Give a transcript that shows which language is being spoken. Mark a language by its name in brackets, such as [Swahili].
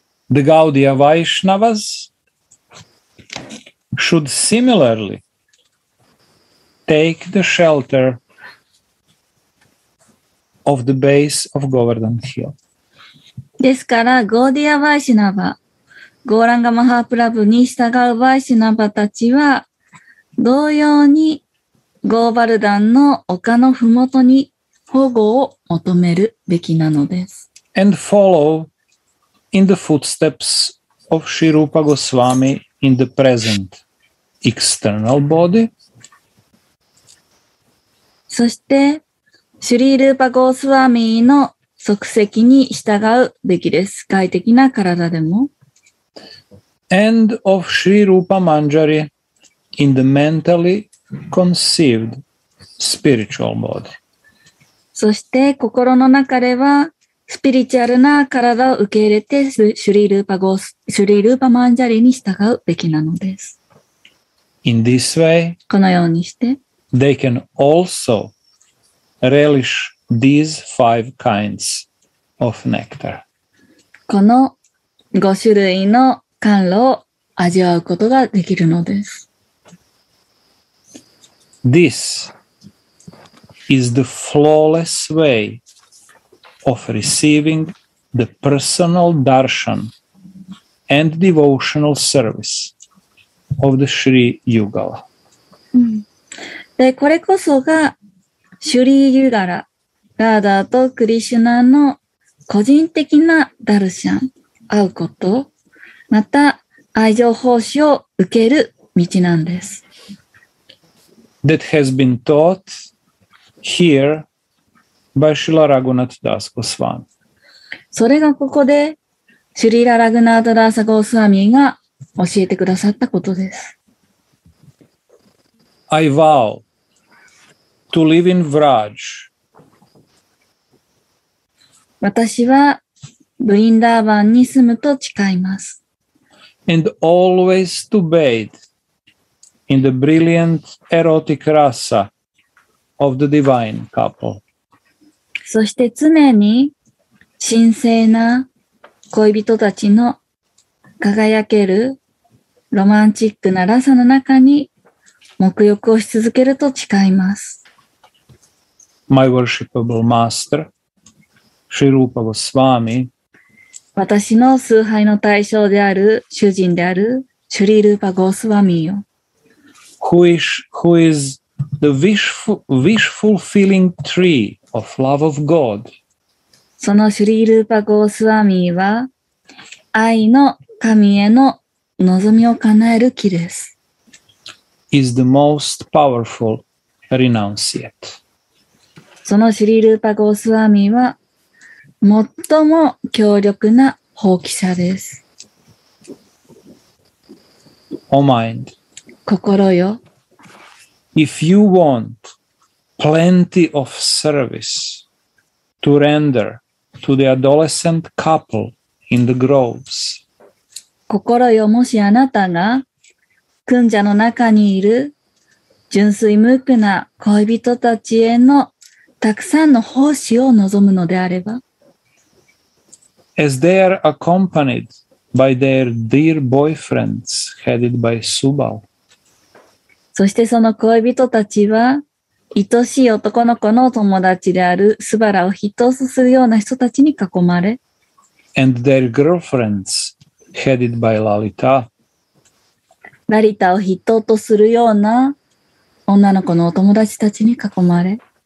[English] The Gaudiya Vaishnavas should similarly take the shelter of the base of Govardhan Hill. [Japanese] ですから、ゴーディア・ヴァイシナバ、ゴーランガ・マハープラブに従うヴァイシナバたちは、同様にゴーバルダンの丘のふもとに保護を求めるべきなのです。 [English] and follow in the footsteps of Sri Rupa Goswami in the present external body. [Japanese] そしてシュリールーパゴースワミーの足跡に従うべきです。外的な体でも。 [English] End of Sri Rupa Manjari in the mentally conceived spiritual body. [Japanese] そして心の中ではスピリチュアルな体を受け入れてシュリールーパマンジャリに従うべきなのです。 [English] In this way, [Japanese] このようにして、 [English] they can also relish these five kinds of nectar. [Japanese] この五種類の甘露を味わうことができるのです。 [English] This is the flawless way of receiving the personal darshan and devotional service of the Sri Yugala. [Japanese] で、これこそがシュリー・ユガラ、ラーダーとクリシュナの個人的なダルシャン、会うこと、また愛情奉仕を受ける道なんです。 [English] That has been taught here by Srila Raghunath Das Goswami. [Japanese] それがここでシュリーラ・ラグナート・ダーサ・ゴースワミが教えてくださったことです。 [English] I vow to live in Vraj. [Japanese] 私はブリンダーバンに住むと誓います。 [English] And always to bathe in the brilliant erotic rasa of the divine couple. [Japanese] そして常に神聖な恋人たちの輝けるロマンチックなラサの中に沐浴をし続けると誓います。 [English] My worshipable master, Sri Rupa Goswami. [Japanese] 私の崇拝の対象である主人であるシュリールーパゴースワミよ。 [English] Who is the wish fulfilling tree of love of God? [Japanese] そのシュリールーパゴースワミは愛の神への望みを叶える木です。 [English] Is the most powerful renunciate. [Japanese] そのシュリールーパゴースワミは最も強力な放棄者です。 [English] O mind, [Japanese] 心よ。 [English] If you want plenty of service to render to the adolescent couple in the groves, [Japanese] 心よ、もしあなたが群者の中にいる純粋無垢な恋人たちへのたくさんの奉仕を望むのであれば、 [English] As they are accompanied by their dear boyfriends headed by Subal. [Japanese] そしてその恋人たちは、愛しい男の子の友達であるスバラを筆頭するような人たちに囲まれ、 [English] And their girlfriends headed by Lalita. [Japanese] ラリタを筆頭とするような女の子のお友達たちに囲まれ、